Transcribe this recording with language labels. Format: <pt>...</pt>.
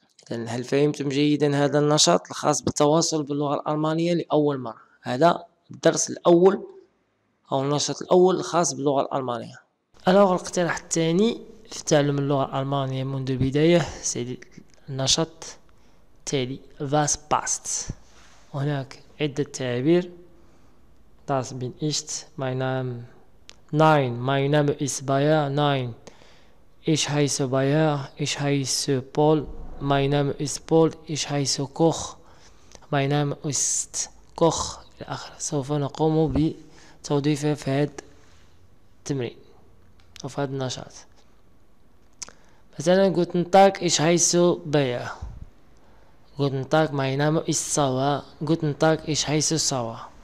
<ar>هل فهمتم جيدا هذا النشاط الخاص بالتواصل باللغة الألمانية لأول مرة؟ هذا الدرس الأول أو النشاط الأول الخاص باللغة الألمانية. ألوغ الاقتراح الثاني في تعلم اللغة الألمانية منذ البداية سيدي النشاط التالي</ar> <de>Was passt؟</de> <ar>هناك عدة تعابير</ar> <de>Das bin ich, mein Name. Nein, mein Name ist Bayer. Nein, ich heiße Bayer. Ich heiße Paul. Mein Name ist Paul. Ich heiße Koch. Mein Name ist Koch.</de> <ar>الأخر. سوف نقوم بتوظيفه في هذا التمرين أو في هذا النشاط. مثلا</ar> <de>Guten Tag, ich heiße Bayer. Guten Tag, mein Name ist Sauer. Guten Tag, ich heiße Sauer.</de>